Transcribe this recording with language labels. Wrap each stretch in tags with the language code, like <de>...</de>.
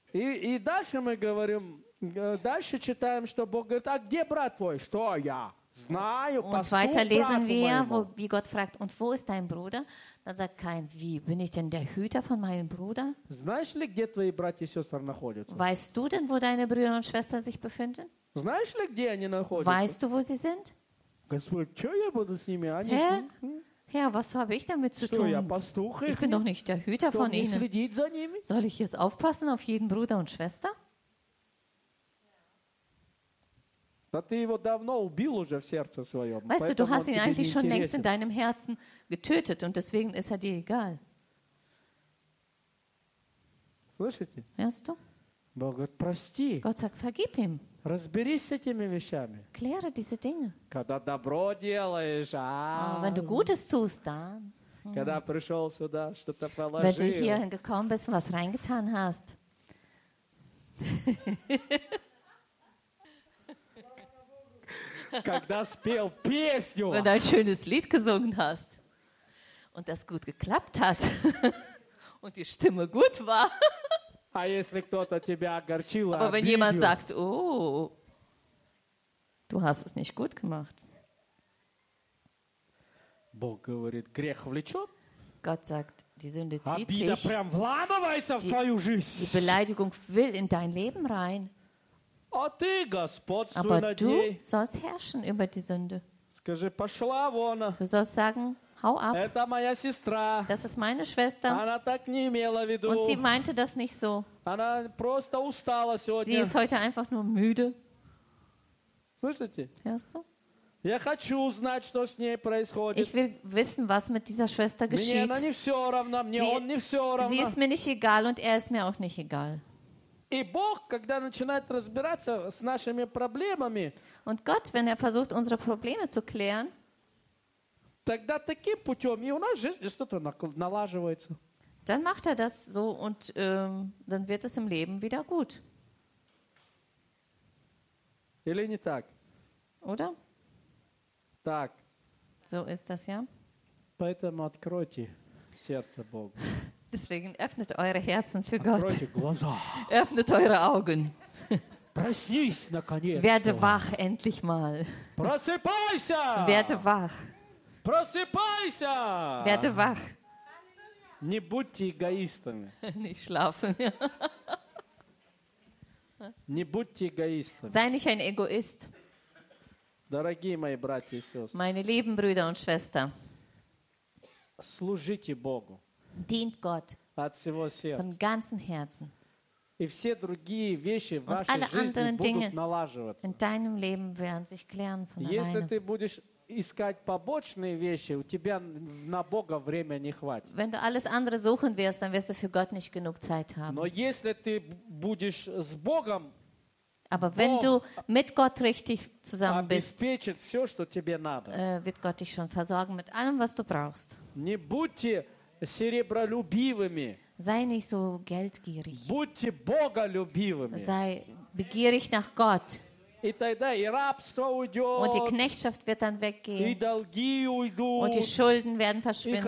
<ru>И дальше мы говорим, дальше читаем, что Бог говорит, а где брат твой? Что я? Знаю,</ru> <de>und weiter lesen wir, wie Gott fragt, und wo ist dein Bruder? Dann sagt Kain, wie, bin ich denn der Hüter von meinem Bruder?</de> <ru>Знаешь ли, где твои братья и сестры находятся?</ru> <de>Weißt du denn, wo deine Brüder und Schwestern sich befinden?</de> <ru>Знаешь ли, где они находятся?</ru> <de>Weißt du, wo sie sind?</de> <ru>Господь, что я буду с ними?</ru> <de>Herr? Herr, was habe ich damit zu tun?</de> <ru>Пастух,</ru> <de>ich bin doch nicht der Hüter von ihnen. Soll ich jetzt aufpassen auf jeden Bruder und Schwester?</de> <ru>Да ты его давно убил уже в сердце своем.</ru> <de>Weißt du, du hast ihn eigentlich schon längst in deinem Herzen getötet und deswegen ist er dir egal.</de> <ru>Слышите?</ru> <de>Hörst du?</de> <ru>Бог говорит, прости.</ru> <de>Gott sagt, vergib ihm.</de> <ru>Разберись с этими вещами.</ru> <de>Kläre diese Dinge.</de> <ru>Когда добро делаешь,</ru> <de>Wenn du Gutes tust, dann.</de> <ru>Когда пришел сюда, что-то положил.</ru> <de>Wenn du hierhin gekommen bist, was reingetan hast.</de> <ru>Когда спел песню.</ru> <de>Wenn du ein schönes Lied gesungen hast und das gut geklappt hat und die Stimme gut war.</de> <ru>А если кто-то тебя огорчил,</ru> <de>Aber wenn jemand sagt, oh, du hast es nicht gut gemacht.</de> <ru>Бог говорит, грех влечет.</ru> <de>Gott sagt, die Sünde zieht dich.</de> <ru>Обида прям вламывается в твою жизнь.</ru> <de>Die Beleidigung will in dein Leben rein.</de> <ru>А ты, Господь,</ru> <de>Aber du</de> <ru>ней.</ru> <de>Sollst herrschen über die Sünde.</de> <ru>Скажи, пошла вон.</ru> <de>Du sollst sagen, hau ab.</de> <ru>Это моя сестра.</ru> <de>Das ist meine Schwester.</de> <ru>Она так не имела в виду.</ru> <de>Und sie meinte das nicht so.</de> <ru>Она просто устала сегодня.</ru> <de>Sie ist heute einfach nur müde.</de> <ru>Слышите?</ru> <de>Hörst du?</de> <ru>Я хочу узнать, что с ней происходит.</ru> <de>Ich will wissen, was mit dieser Schwester geschieht.</de> <ru>Мне она не все равно, мне он не все равно.</ru> <de>Sie ist mir nicht egal und er ist mir auch nicht egal.</de> <ru>И Бог, когда начинает разбираться с нашими проблемами,</ru> <de>und Gott, wenn er versucht, unsere Probleme zu klären,</de> <ru>тогда таким путем и у нас жизнь что-то налаживается.</ru> <de>Dann macht er das so und dann wird es im Leben wieder gut.</de> <ru>Или не так?</ru> <de>Oder?</de> <ru>Так.</ru> <de>So ist das ja.</de> <ru>Поэтому откройте сердце Богу.</ru> <de>Deswegen öffnet eure Herzen für Gott.</de> <ru>Откройте глаза.</ru> <de>Öffnet eure Augen.</de> <ru>Проснись наконец.</ru> <de>Werde wach endlich mal.</de> <ru>Просыпайся.</ru> <de>Werde wach.</de> <ru>Просыпайся.</ru> <de>Werde wach.</de> <ru>Не будьте эгоистами.</ru> <de>Nicht schlafen.</de> <ru>Не будьте эгоистами.</ru> <de>Sei nicht ein Egoist.</de> <ru>Дорогие мои братья и сестры.</ru> <de>Meine lieben Brüder und Schwestern.</de> <ru>Служите Богу.</ru> <de>Dient Gott.</de> <ru>От всего сердца.</ru> <de>Von ganzem Herzen.</de> <ru>И все другие вещи в вашей жизни будут налаживаться.</ru> <de>In deinem Leben werden sich klären von alleine.</de> <ru>Если ты будешь искать побочные вещи, у тебя на Бога время не хватит.</ru> <de>Wenn du alles andere suchen wirst, dann wirst du für Gott nicht genug Zeit haben.</de> <ru>Но если ты будешь с Богом,</ru> <de>Aber wenn du mit Gott richtig zusammen bist,</de> <ru>все, что тебе надо.</ru> <de>Wird Gott dich schon versorgen mit allem, was du brauchst.</de> <ru>Не будьте серебролюбивыми.</ru> <de>Sei nicht so geldgierig.</de> <ru>Будьте боголюбивыми.</ru> <de>Sei begierig nach Gott.</de> <ru>И тогда и рабство уйдет.</ru> <de>Und die Knechtschaft wird dann weggehen.</de> <ru>И долги уйдут.</ru> <de>Und die Schulden werden verschwinden.</de>